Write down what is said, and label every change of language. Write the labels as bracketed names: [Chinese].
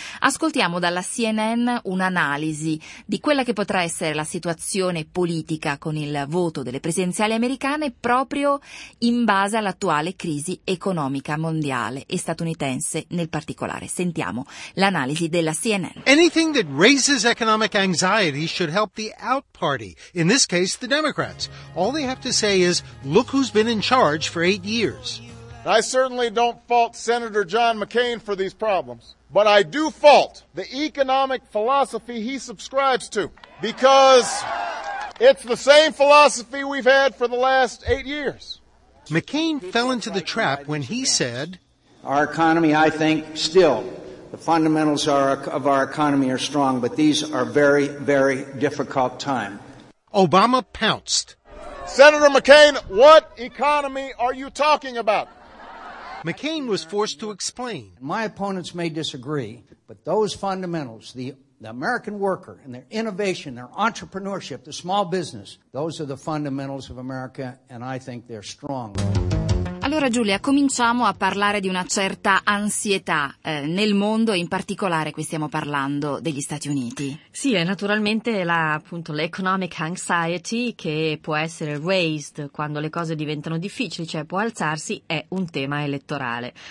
[Italian] Ascoltiamo dalla CNN un'analisi di quella che potrà essere la situazione politica con il voto delle presidenziali americane proprio in base all'attuale crisi economica mondiale e statunitense nel particolare. Sentiamo l'analisi della CNN. [English] Anything that raises economic anxiety should help the out party, in this case the Democrats. All they have to say is, look who's been in charge for 8 years. I certainly don't fault Senator John McCain for these problems, but I do fault the economic philosophy he subscribes to, because it's the same philosophy we've had for the last 8 years. McCain fell into the trap when he said, our economy, I think, still, the fundamentals of our economy are strong, but these are very, very difficult times. Obama pounced. Senator McCain, what economy are you talking about? McCain was forced to explain. My opponents may disagree, but those fundamentals, the American worker and their innovation, their entrepreneurship, the small business, those are the fundamentals of America, and I think they're strong. [Italian] Allora Giulia, cominciamo a parlare di una certa ansietà nel mondo, in particolare qui stiamo parlando degli Stati Uniti. Sì, è naturalmente appunto l' [English] economic anxiety, [Italian] che può essere raised quando le cose diventano difficili, cioè può alzarsi, è un tema elettorale.